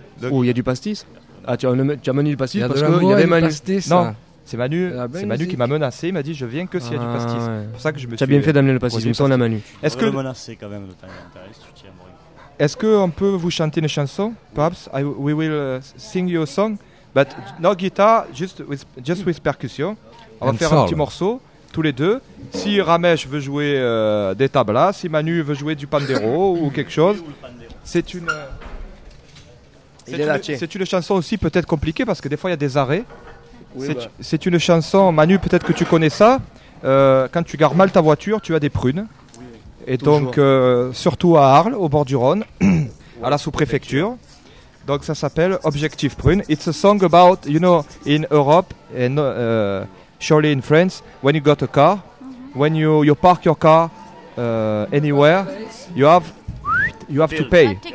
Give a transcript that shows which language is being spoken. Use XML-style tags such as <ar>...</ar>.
<fr>Où il y a du pastis? Ah, tu as mené le pastis parce qu'il y avait Manu. Pastis, non, c'est Manu. C'est Manu qui m'a menacé. Il m'a dit je viens que s'il y a du pastis. C'est pour ça que je me suis. Tu as bien fait d'amener le pastis. Mais ça, on a Manu. Est-ce que menacer quand même de temps en temps, si tu tiens bon. Est-ce qu'on peut vous chanter une chanson?</fr> <en>Perhaps we will sing you a song, but no guitar, just with percussion.</en> <fr>On va faire un petit morceau, tous les deux. Si Ramesh veut jouer des tablas, si Manu veut jouer du pandero ou quelque chose, c'est une. C'est une chanson aussi peut-être compliquée parce que des fois il y a des arrêts. Oui, c'est une chanson, Manu, peut-être que tu connais ça. Quand tu gares mal ta voiture, tu as des prunes. Oui, et toujours. Donc, surtout à Arles, au bord du Rhône, à la sous-préfecture. Donc ça s'appelle Objectif Prune.</fr> <en>It's a song about, you know, in Europe and. Surely in France, when you got a car, when you park your car anywhere, you have to pay.</en>